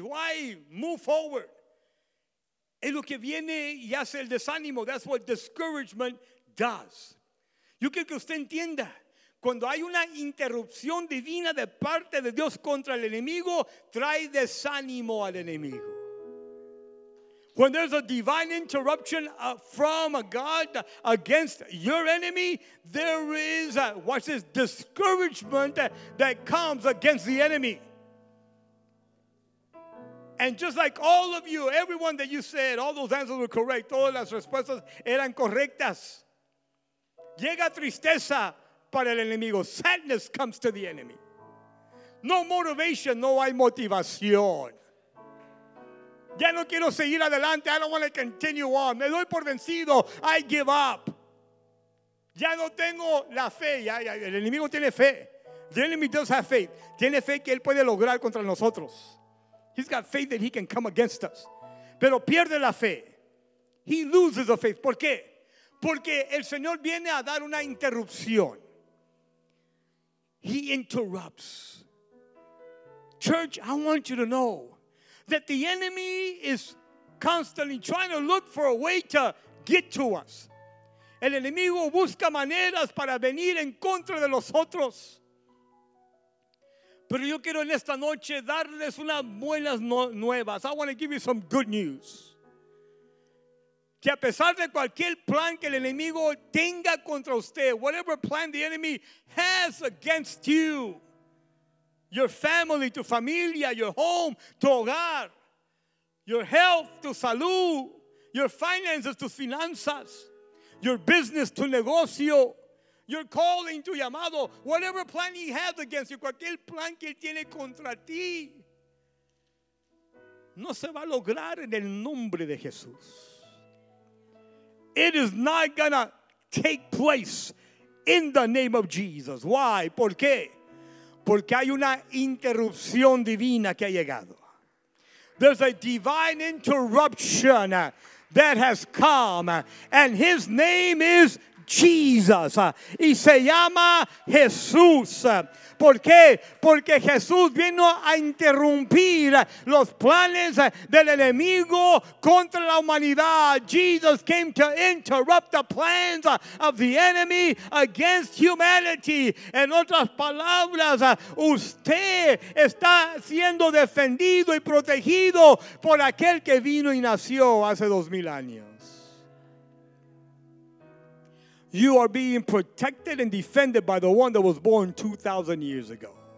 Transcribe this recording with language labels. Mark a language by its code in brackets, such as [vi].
[en] Why move forward? [es] Es lo que viene y hace el desánimo. [en] That's what discouragement does. [es] Yo quiero que usted entienda, cuando hay una interrupción divina de parte de Dios contra el enemigo, trae desánimo al enemigo. [en] When there's a divine interruption from God against your enemy, there is, watch this, discouragement that comes against the enemy. And just like all of you, everyone that you said, all those answers were correct, [es] todas las respuestas eran correctas. Llega tristeza para el enemigo. [en] Sadness comes to the enemy. No motivation, [es] no hay motivación. Ya no quiero seguir adelante. [en] I don't want to continue on. [es] Me doy por vencido. [en] I give up. [es] Ya no tengo la fe. Ya. El enemigo tiene fe. [en] The enemy does have faith. [es] Tiene fe que él puede lograr contra nosotros. [en] He's got faith that he can come against us. [es] Pero pierde la fe. [en] He loses the faith. [es] ¿Por qué? Porque el Señor viene a dar una interrupción. [en] He interrupts. Church, I want you to know that the enemy is constantly trying to look for a way to get to us. [es] El enemigo busca maneras para venir en contra de nosotros. Pero yo quiero en esta noche darles unas buenas nuevas. [en] I want to give you some good news. [es] Que a pesar de cualquier plan que el enemigo tenga contra usted, [en] whatever plan the enemy has against you, your family, [es] tu familia, [en] your home, [es] tu hogar, [en] your health, [es] tu salud, [en] your finances, [es] tus finanzas, [en] your business, [es] tu negocio, [en] your calling, [es] tu llamado, [en] whatever plan he has against you, [es] cualquier plan que él tiene contra ti, no se va a lograr en el nombre de Jesús. [en] It is not gonna take place in the name of Jesus. Why? [es] ¿Por qué? Porque hay una interrupción divina que ha llegado. [en] There's a divine interruption that has come, and his name is Jesus. [es] Y se llama Jesús. ¿Por qué? Porque Jesús vino a interrumpir los planes del enemigo contra la humanidad. [en] Jesus came to interrupt the plans of the enemy against humanity. [es] En otras palabras, usted está siendo defendido y protegido por aquel que vino y nació hace 2,000 años. [en] You are being protected and defended by the one that was born 2,000 years ago.